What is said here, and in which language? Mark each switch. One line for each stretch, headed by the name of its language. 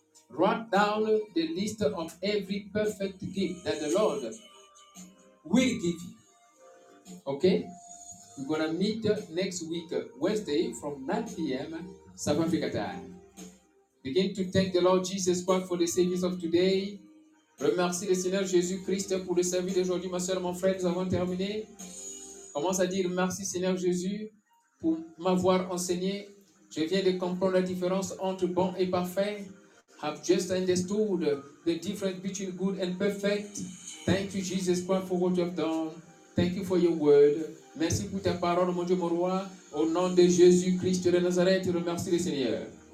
English: Write down the list of every perfect gift that the Lord will give you. Okay? We're going to meet next week, Wednesday, from 9 p.m. South Africa time. Begin to thank the Lord Jesus Christ for the service of today.
French: Remercie le Seigneur Jésus-Christ pour le service d'aujourd'hui. Ma soeur, mon frère, nous avons terminé. Commence à dire merci Seigneur Jésus. pour m'avoir enseigné. Je viens de comprendre la différence entre bon et parfait.
English: Have just understood the difference between good and perfect. Thank you, Jesus Christ, for what you have done. Thank you for your word.
French: Merci pour ta parole, mon Dieu, mon roi. Au nom de Jésus-Christ de Nazareth, remercie le Seigneur.